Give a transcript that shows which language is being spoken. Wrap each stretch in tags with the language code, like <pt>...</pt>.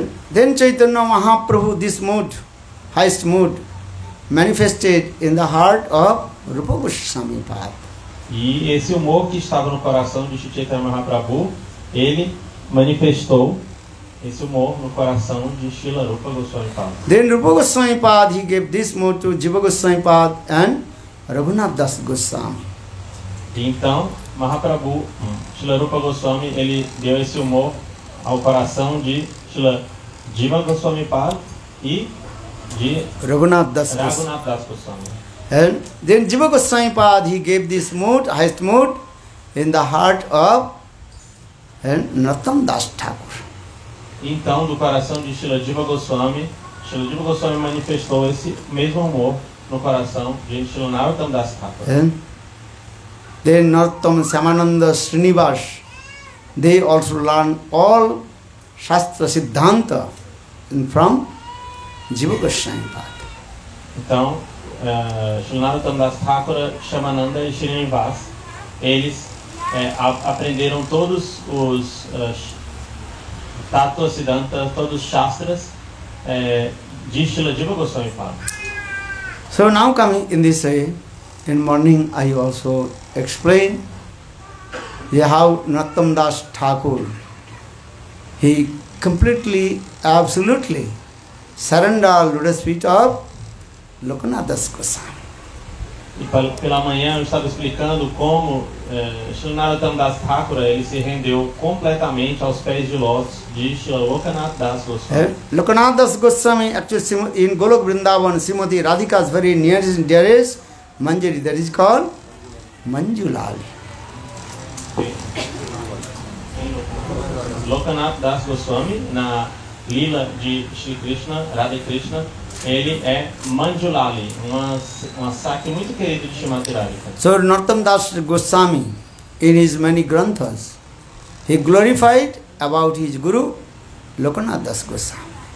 <en>Then Chaitanya Mahaprabhu, this mood, highest mood, manifested in the heart of Rupa Goswami Pad.</en> <pt>E esse humor que estava no coração de Shri Chaitanya Mahaprabhu, ele manifestou esse humor no coração de Srila Rupa Goswami Pad.</pt> <en>Then Rupa Goswami Pad, he gave this mood to Jiva Goswami Pad and Raghunath Das Goswami.</en> <pt>Então, Mahaprabhu, Srila Rupa Goswami, ele deu esse humor ao coração de Shila Jiva Goswami Pad e de Raghunath Das Goswami.</pt> <en>And then Jiva Goswami Pad, he gave this mood, highest mood, in the heart of Natandas Thakur.</en> <pt>Então, no coração de Shrila Diva Goswami, Shrila Diva Goswami manifestou esse mesmo amor no coração de Shrila Narottamdas Thakur.</pt> <en>Then Narottam Samananda Srinivas, they also learn all Shastra Siddhanta from Jiva Goswami Pada.</en> <pt>Então, Shrila Narottamdas Thakur, Samananda e Srinivas, eles aprenderam todos os Tattva Siddhanta, todos os Shastras de Shrila Jiva Goswami Pada.</pt> <en>So now coming in this way, in morning I also explain how Narottamdas Thakur, he completely, absolutely surrendered to the feet of Lokanathas Goswami.</en> <pt>E pela manhã eu estava explicando como Shrila Narottamdas Thakur, ele se rendeu completamente aos pés de lótus de Shrila Lokanathas Goswami.</pt> <en>Lokanathas Goswami, actually, in Golok Vrindavan, Srimati Radhika's very nearest and dearest Manjari, that is called Manjulali.</en> <pt>Lokanath Das Goswami, na Lila de Shri Krishna, Radha Krishna, ele é Manjulali, uma sakya muito querida de Srimati Radhika.</pt> <en>So, Narottamdas Goswami, in his many granthas, he glorified about his guru, Lokanath Das Goswami.</en>